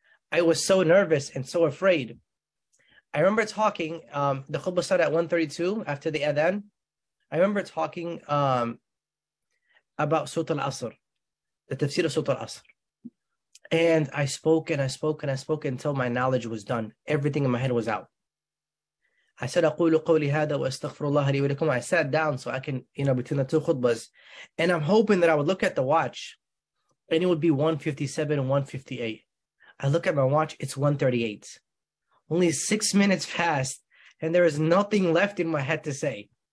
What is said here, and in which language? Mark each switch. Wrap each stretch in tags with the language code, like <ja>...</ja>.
<en>I was so nervous and so afraid. I remember talking, the khutbah started at 1:32 after the adhan. I remember talking about Surah Al-Asr, the tafsir of Surah Al-Asr. And I spoke and I spoke and I spoke until my knowledge was done. Everything in my head was out. I said,</en> <ar>أَقُولُ قَوْلِ هَذَا وَأَسْتَغْفِرُ اللَّهَ لِي وَلَكُمْ.</ar> <en>I sat down so I can, between the two khutbahs. And I'm hoping that I would look at the watch and it would be 1:57 and 1:58. I look at my watch, it's 1:38. Only 6 minutes passed and there is nothing left in my head to say.</en>